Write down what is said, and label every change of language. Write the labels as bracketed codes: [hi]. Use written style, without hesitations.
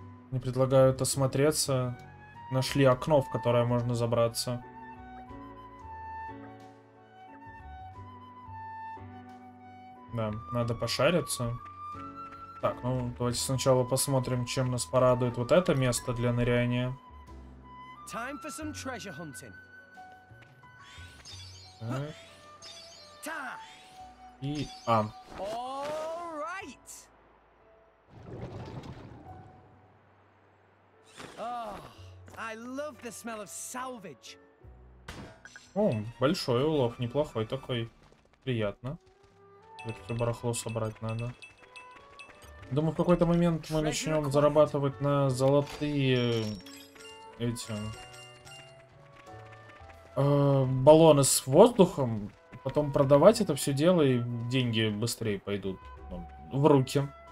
[ru] Мне предлагают осмотреться. Нашли окно, в которое можно забраться. Да, надо пошариться. Так, ну, давайте сначала посмотрим, чем нас порадует вот это место для ныряния. [en] Time for some treasure hunting. [ru] Так. И... А. [en] All right. Oh, I love the smell of salvage. [ru] О, большой улов, неплохой такой. Приятно. Это барахло собрать надо. Думаю, в какой-то момент мы начнем зарабатывать на золотые эти баллоны с воздухом, потом продавать это все дело, и деньги быстрее пойдут в руки.